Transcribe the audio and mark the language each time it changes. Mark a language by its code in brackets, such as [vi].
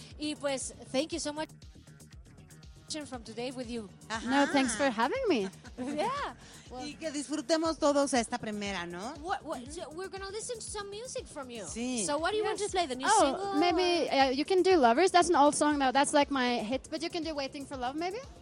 [es] Y pues, [en] thank you so much from today with you. Uh-huh. No, thanks for having me. Yeah. Well, [es] y que disfrutemos todos esta primera, ¿no? [en] So we're going to listen to some music from you. [es] Sí. [en] So what do you want to play? The new single? Oh, maybe you can do Lovers. That's an old song, though. That's like my hit. But you can do Waiting for Love, maybe?